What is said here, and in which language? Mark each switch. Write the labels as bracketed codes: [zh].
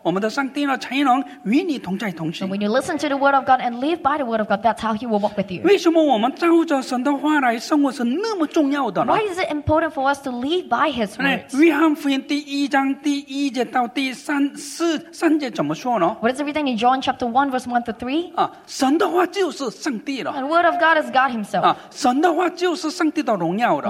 [zh] 你听神的话，照着神的话来生活的时候，我们的上帝呢，才能与你同在同行。 [en] When you listen to the word of God and live by the word of God, that's how He will walk with you. [zh] 为什么我们照着神的话来生活是那么重要的呢？ [en] Why is it important for us to live by His words? [zh] 约翰福音第一章第一节到第三节怎么说呢？ [en] What is it written in John chapter 1 verse 1 to 3? [zh] 神的话就是上帝了。 [en] The word of God is God Himself. [zh] 神的话就是上帝的荣耀了。